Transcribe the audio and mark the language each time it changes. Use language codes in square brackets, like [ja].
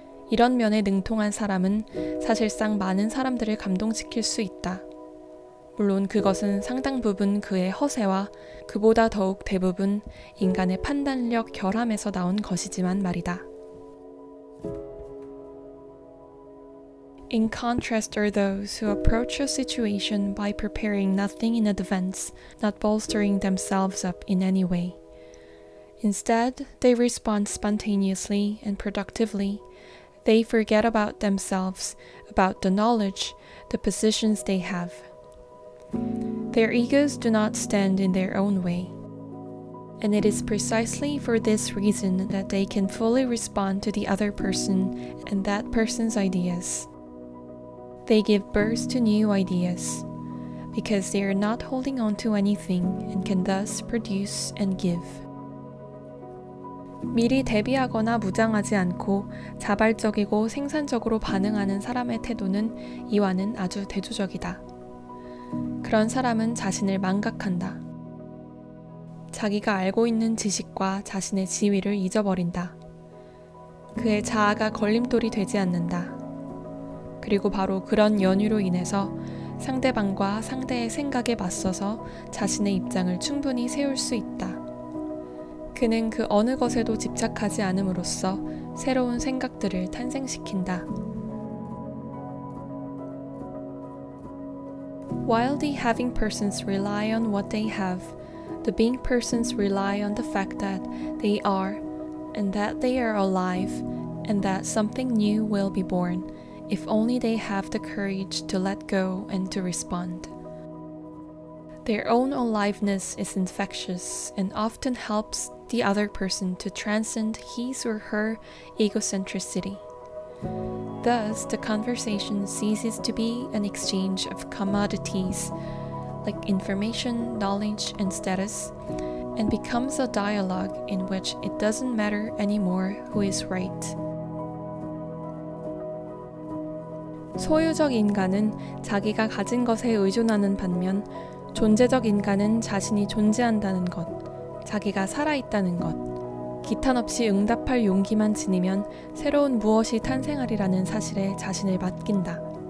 [ko] 이런 면에 능통한 사람은 사실상 많은 사람들을 감동시킬 수 있다. 물론 그것은 상당 부분 그의 허세와 그보다 더욱 대부분 인간의 판단력 결함에서 나온 것이지만 말이다. [en] In contrast are those who approach a situation by preparing nothing in advance, not bolstering themselves up in any way. Instead, they respond spontaneously and productively. They forget about themselves, about the knowledge, the positions they have. Their egos do not stand in their own way. And it is precisely for this reason that they can fully respond to the other person and that person's ideas. They give birth to new ideas, because they are not holding on to anything and can thus produce and give. [ko] 미리 대비하거나 무장하지 않고 자발적이고 생산적으로 반응하는 사람의 태도는 이와는 아주 대조적이다. 그런 사람은 자신을 망각한다. 자기가 알고 있는 지식과 자신의 지위를 잊어버린다. 그의 자아가 걸림돌이 되지 않는다. 그리고 바로 그런 연유로 인해서 상대방과 상대의 생각에 맞서서 자신의 입장을 충분히 세울 수 있다. 그는 그 어느 것에도 집착하지 않음으로써 새로운 생각들을 탄생시킨다. [en] While the having persons rely on what they have, the being persons rely on the fact that they are, and that they are alive, and that something new will be born. If only they have the courage to let go and to respond. Their own aliveness is infectious and often helps the other person to transcend his or her egocentricity. Thus, the conversation ceases to be an exchange of commodities, like information, knowledge, and status, and becomes a dialogue in which it doesn't matter anymore who is right. [ko] 소유적 인간은 자기가 가진 것에 의존하는 반면 존재적 인간은 자신이 존재한다는 것, 자기가 살아있다는 것, 기탄 없이 응답할 용기만 지니면 새로운 무엇이 탄생하리라는 사실에 자신을 맡긴다.